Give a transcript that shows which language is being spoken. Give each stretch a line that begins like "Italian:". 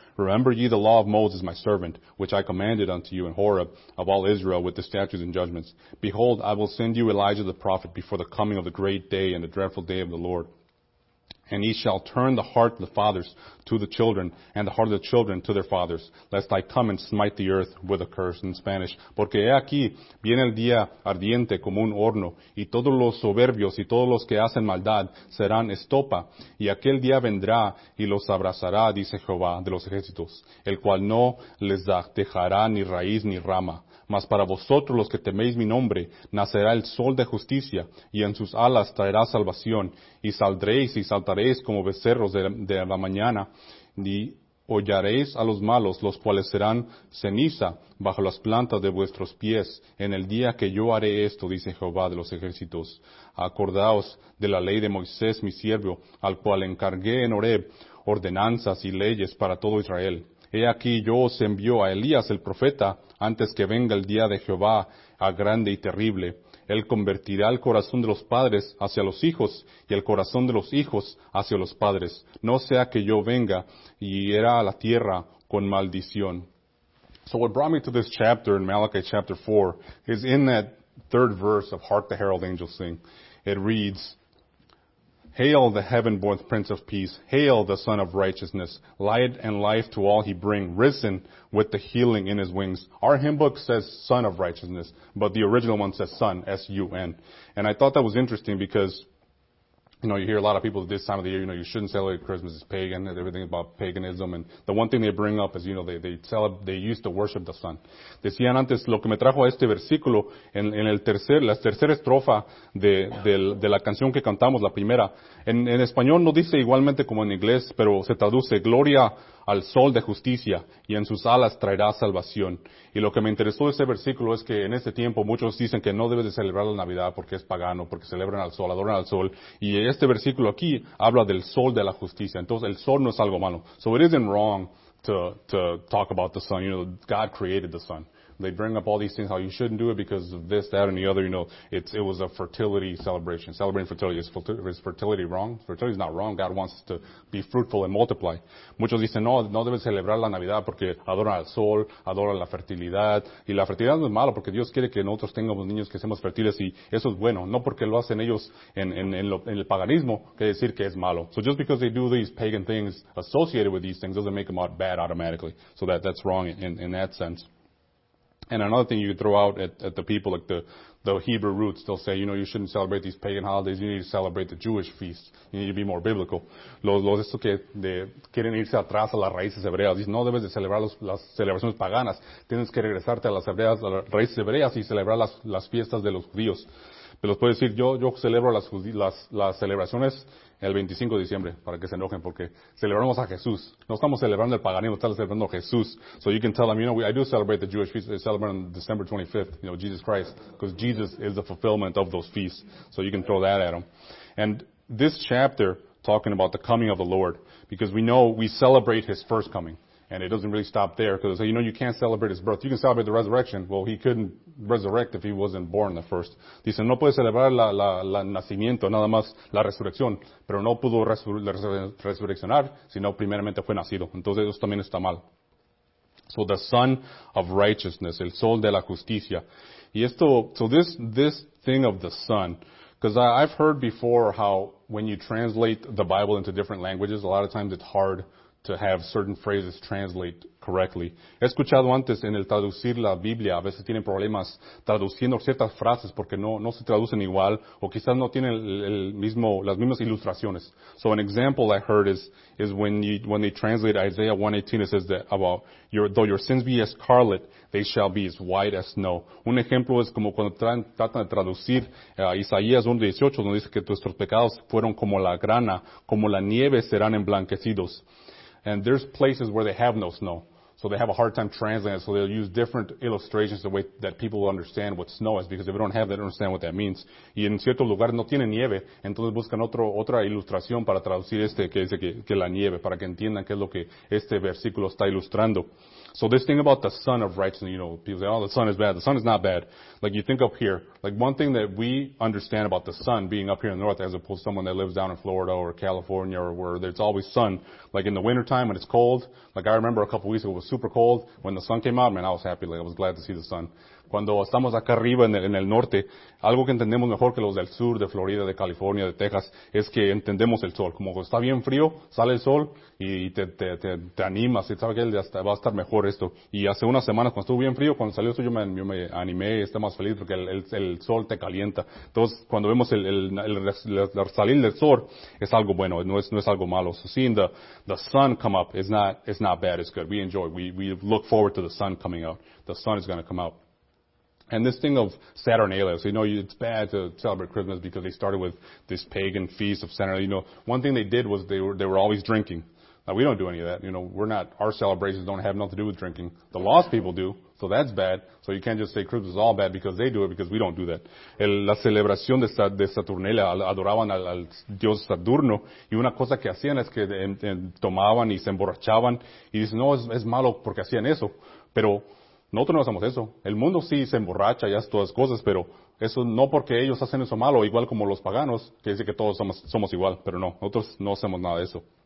English: Remember ye the law of Moses, my servant, which I commanded unto you in Horeb of all Israel with the statutes and judgments. Behold, I will send you Elijah the prophet before the coming of the great day and the dreadful day of the Lord. And he shall turn the heart of the fathers to the children and the heart of the children to their fathers, lest I come and smite the earth with a curse." In Spanish,
Spanish: "Porque he aquí viene el día ardiente como un horno, y todos los soberbios y todos los que hacen maldad serán estopa, y aquel día vendrá y los abrazará, dice Jehová de los ejércitos, el cual no les dejará ni raíz ni rama. Mas para vosotros los que teméis mi nombre, nacerá el sol de justicia, y en sus alas traerá salvación, y saldréis y saltaréis como becerros de la mañana, y hollaréis a los malos, los cuales serán ceniza bajo las plantas de vuestros pies, en el día que yo haré esto, dice Jehová de los ejércitos. Acordaos de la ley de Moisés, mi siervo, al cual encargué en Horeb ordenanzas y leyes para todo Israel. He aquí yo os envío a Elías el profeta, antes que venga el día de Jehová, a grande y terrible. Él convertirá el corazón de los padres hacia los hijos, y el corazón de los hijos hacia los padres. No sea que yo venga y hiera a la tierra con maldición."
English: So what brought me to this chapter in Malachi chapter 4 is in that third verse of Hark the Herald Angels Sing. It reads, "Hail the heaven-born Prince of Peace, hail the Son of Righteousness, light and life to all he bring, risen with the healing in his wings." Our hymn book says Son of Righteousness, but the original one says Son, S-U-N. And I thought that was interesting because, you know, you hear a lot of people this time of the year, you know, you shouldn't celebrate Christmas, it's pagan, and everything about paganism. And the one thing they bring up is, you know, they used to worship the sun.
Spanish: Decían antes, lo que me trajo a este versículo, en el tercer, la tercera estrofa de la canción que cantamos, la primera, en español no dice igualmente como en inglés, pero se traduce, "Gloria al sol de justicia, y en sus alas traerá salvación." Y lo que me interesó de ese versículo es que en este tiempo muchos dicen que no debes de celebrar la Navidad porque es pagano, porque celebran al sol, adoran al sol. Y este versículo aquí habla del sol de la justicia. Entonces, el sol no es algo malo.
English: So it isn't wrong to talk about the sun. You know, God created the sun. They bring up all these things, how you shouldn't do it because of this, that, and the other. You know, it was a fertility celebration. Celebrating fertility, is fertility wrong? Fertility is not wrong. God wants us to be fruitful and multiply.
Spanish: Muchos dicen, no debes celebrar la Navidad porque adoran al sol, adoran la fertilidad. Y la fertilidad no es mala porque Dios quiere que nosotros tengamos niños que seamos fértiles y eso es bueno. No porque lo hacen ellos en el paganismo, quiere decir que es malo.
English: So just because they do these pagan things associated with these things doesn't make them out bad automatically. So that's wrong in that sense. And another thing you throw out at the people, like the Hebrew roots, they'll say, you know, you shouldn't celebrate these pagan holidays. You need to celebrate the Jewish feasts. You need to be more biblical.
Spanish: Los estos que quieren irse atrás a las raíces hebreas. Dicen, no debes de celebrar las celebraciones paganas. Tienes que regresarte a las hebreas, a las raíces hebreas y celebrar las fiestas de los judíos. Pero les puedo decir, yo celebro las celebraciones el 25 de diciembre, para que se enojen, porque celebramos a Jesús. No estamos celebrando el paganismo, estamos celebrando a Jesús.
English: So you can tell them, you know, I do celebrate the Jewish feast. I celebrate on December 25th, you know, Jesus Christ, because Jesus is the fulfillment of those feasts. So you can throw that at them. And this chapter, talking about the coming of the Lord, because we know we celebrate his first coming, and it doesn't really stop there, because they say, you know, you can't celebrate his birth. You can celebrate the resurrection. Well, he couldn't resurrect if he wasn't born the first.
Spanish: Dice, no puede celebrar la nacimiento, nada más la resurrección, pero no pudo resurreccionar si no primeramente fue nacido. Entonces, eso también está mal.
English: So the Son of Righteousness,
Spanish: el Sol de la Justicia. Y esto,
English: so this thing of the Son, because I've heard before how when you translate the Bible into different languages, a lot of times it's hard to have certain phrases translate correctly.
Spanish: He escuchado antes en el traducir la Biblia, a veces tienen problemas traduciendo ciertas frases porque no se traducen igual, o quizás no tienen las mismas ilustraciones.
English: So an example I heard is when they translate Isaiah 1:18, it says that about though your sins be as scarlet, they shall be as white as snow.
Spanish: Un ejemplo es como cuando tratan de traducir Isaías 1:18, donde dice que tus pecados fueron como la grana, como la nieve serán emblanquecidos.
English: And there's places where they have no snow, so they have a hard time translating it, so they'll use different illustrations the way that people will understand what snow is, because if they don't have, they don't understand what that means.
Spanish: Y en ciertos lugares no tienen nieve, entonces buscan otra ilustración para traducir este que dice que la nieve, para que entiendan qué es lo que este versículo está ilustrando.
English: So this thing about the Son of Righteousness, you know, people say, oh, the Son is bad. The Son is not bad. Like, you think up here, like, one thing that we understand about the Son being up here in the north, as opposed to someone that lives down in Florida or California or where there's always sun, like in the wintertime when it's cold, like I remember a couple weeks ago it was super cold. When the sun came out, man, I was happy. Like, I was glad to see the sun.
Spanish: Cuando estamos acá arriba en el norte, algo que entendemos mejor que los del sur, de Florida, de California, de Texas, es que entendemos el sol. Como está bien frío, sale el sol y te animas. ¿Sabes qué? Va a estar mejor esto. Y hace unas semanas, cuando estuvo bien frío, cuando salió el sol, yo me animé y estaba más feliz porque el sol te calienta. Entonces, cuando vemos el salir del sol, es algo bueno, no es algo malo.
English: So seeing the sun come up, it's not bad, it's good. We enjoy, we look forward to the sun coming out. The sun is going to come out. And this thing of Saturnalia, so you know, it's bad to celebrate Christmas because they started with this pagan feast of Saturnalia. You know, one thing they did was they were always drinking. Now, we don't do any of that. You know, we're not, our celebrations don't have nothing to do with drinking. The lost people do, so that's bad. So you can't just say Christmas is all bad because they do it, because we don't do that.
Spanish: La celebración de Saturnalia, adoraban al dios Saturno, y una cosa que hacían es que tomaban y se emborrachaban, y dicen, no, es malo porque hacían eso, pero nosotros no hacemos eso. El mundo sí se emborracha y hace todas las cosas, pero eso no porque ellos hacen eso malo, igual como los paganos, que dice que todos somos igual, pero no, nosotros no hacemos nada de eso.